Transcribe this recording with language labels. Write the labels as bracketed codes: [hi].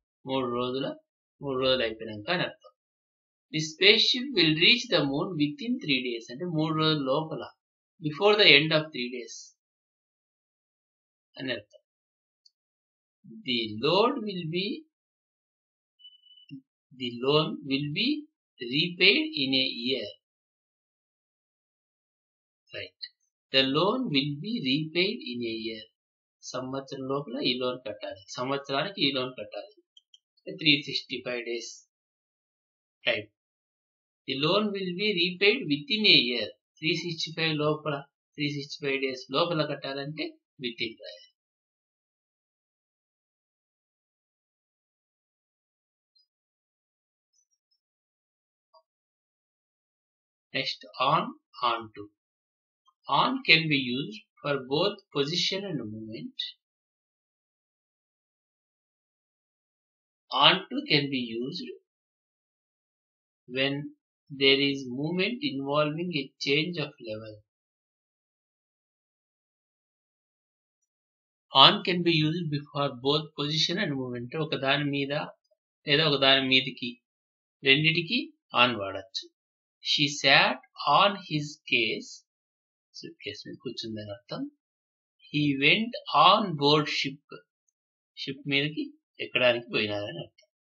[te] 3 రోజులు అయిపోయినాక అని అర్థం. [en] the spaceship will reach the moon within 3 days [te] అంటే 3 రోజుల లోపల. [en] before the end of 3 days [te] అని అర్థం. [en] The loan will be the loan will be repaid in a year. Right. The loan will be repaid in a year. [te] సంవత్సరం లోపల ఈ loan కట్టాలి, సంవత్సరానికి ఈ లోన్ కట్టాలి. [en] 365 days time. The loan will be repaid within a year. [te] 365 లోపల, 365 days లోపల కట్టాలంటే [en] Within a year. Next on, onto. On can be used for both position and moment. Onto can be used when there is movement involving a change of level. On can be used for both position and moment. [te] ఒకదాని మీద లేదా ఒకదాని మీదకి, రెండిటికి on వాడచ్చు. [en] She sat on his case. [te] Suitcase మీద కూర్చుందని అర్థం. [en] He went on board ship. [te] Ship మీదకి ఎక్కడానికి పోయినారని అర్థం.